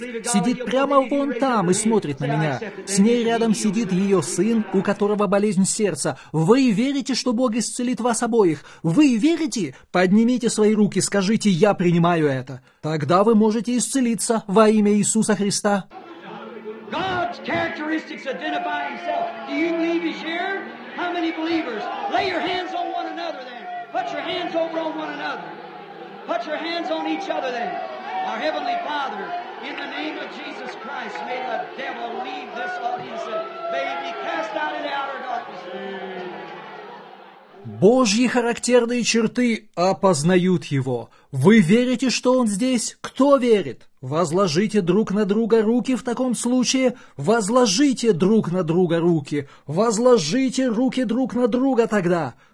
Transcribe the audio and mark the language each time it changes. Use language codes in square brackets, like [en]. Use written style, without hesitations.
[ru] Сидит прямо вон там и смотрит на меня. С ней рядом сидит ее сын, у которого болезнь сердца. Вы верите, что Бог исцелит вас обоих? Вы верите? Поднимите свои руки, скажите: «Я принимаю это». Тогда вы можете исцелиться во имя Иисуса Христа. [en] God's characteristics identify himself. Do you believe he's here? How many believers? Lay your hands on one another then. Put your hands over on one another. Put your hands on each other then. Our Heavenly Father, in the name of Jesus Christ, may the devil leave this audience and may it be cast out in the outer darkness. [ru] Божьи характерные черты опознают его. Вы верите, что он здесь? Кто верит? Возложите друг на друга руки в таком случае. Возложите друг на друга руки. Возложите руки друг на друга тогда.